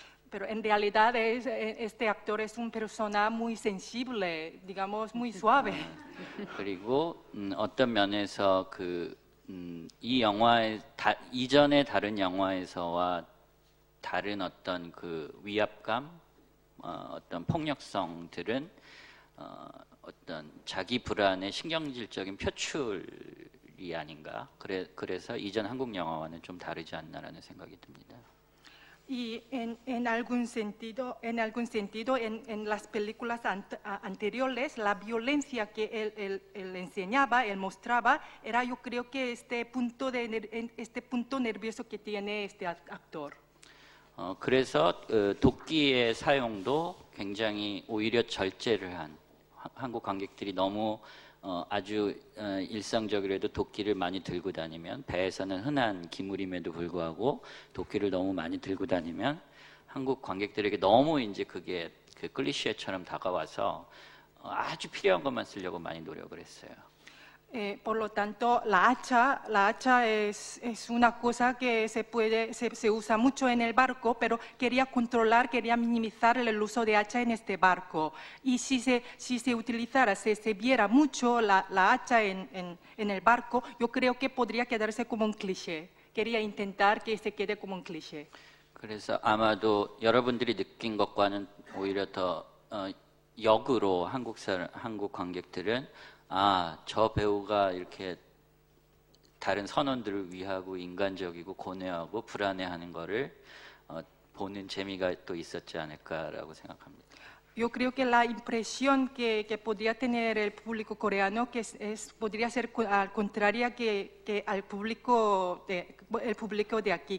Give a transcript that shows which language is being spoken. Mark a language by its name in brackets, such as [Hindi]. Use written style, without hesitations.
[Spanish] pero en realidad es, este actor es un persona muy sensible, digamos muy suave. [Korean] 그리고 어떤 면에서 그 이 영화의 이전의 다른 영화에서와 다른 어떤 그 위압감, 어떤 폭력성들은 어떤 자기 불안의 신경질적인 표출이 아닌가. 그래서 이전 한국 영화와는 좀 다르지 않나라는 생각이 듭니다. [Spanish] Y en algún sentido, en las películas anteriores, la violencia que él enseñaba, él mostraba, era, yo creo que este punto nervioso que tiene este actor. [Korean] 그래서 도끼의 사용도 굉장히 오히려 절제를 한 한국 관객들이 너무 아주 일상적으로도 도끼를 많이 들고 다니면 배에서는 흔한 기물임에도 불구하고 도끼를 너무 많이 들고 다니면 한국 관객들에게 너무 이제 그게 그 클리셰처럼 다가와서 아주 필요한 것만 쓰려고 많이 노력을 했어요. [Spanish] Por lo tanto, la hacha es una cosa que se usa mucho en el barco, pero quería minimizar el uso de hacha en este barco. Y si se viera mucho la hacha en el barco, yo creo que podría quedarse como un cliché. Quería intentar que se quede como un cliché. [Korean] 그래서 아마도 여러분들이 느낀 것과는 오히려 더 역으로 한국 관객들은 아, 저 배우가 이렇게 다른 선원들을 위하고 인간적이고 고뇌하고 불안해하는 거를 보는 재미가 또 있었지 않을까라고 생각합니다. [Spanish] Yo creo que la impresión que podría tener el público coreano que es podría ser al contrario que al público el público de aquí.